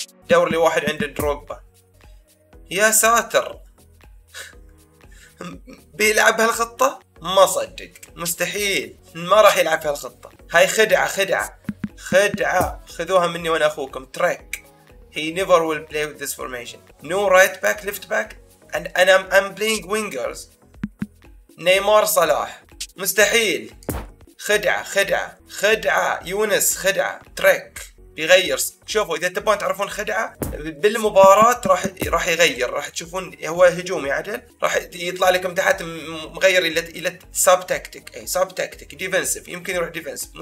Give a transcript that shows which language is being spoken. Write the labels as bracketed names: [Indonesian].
[Arabic] دور لي واحد عند الدروب، يا ساتر بيلعب هالخطة؟ ما صدق، مستحيل، ما راح يلعب هالخطة. هاي خدعة خدعة خدعة، خذوها مني وانا اخوكم. تريك، [English] he never will play with this formation. No right back, left back, and I'm playing wingers. [Arabic] نيمار صلاح، مستحيل، خدعة خدعة خدعة يونس، خدعة. تريك يغير، شوفوا اذا تبون تعرفون خدعه بالمباراه راح يغير، راح تشوفون هو هجوم عدل، راح يطلع لكم تحت مغير الى سب تكتيك، اي سب تكتيك ديفنسيف، يمكن يروح ديفنسيف.